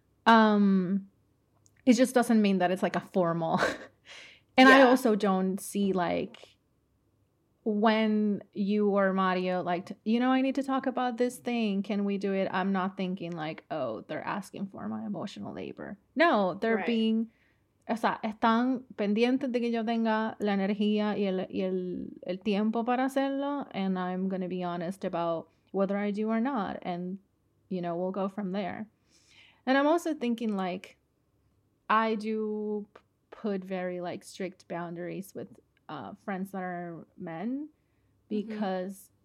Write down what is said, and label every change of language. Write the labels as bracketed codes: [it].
[en] It just doesn't mean that it's like a formal. And yeah. I also don't see like when you or Mario like, you know, I need to talk about this thing. Can we do it? I'm not thinking like, oh, they're asking for my emotional labor. No, they're right. being, [es] o sea, están pendientes de que yo tenga la energía y el tiempo para hacerlo. [en] And I'm going to be honest about whether I do or not. And, you know, we'll go from there. And I'm also thinking like, I do put very like strict boundaries with friends that are men, because mm-hmm.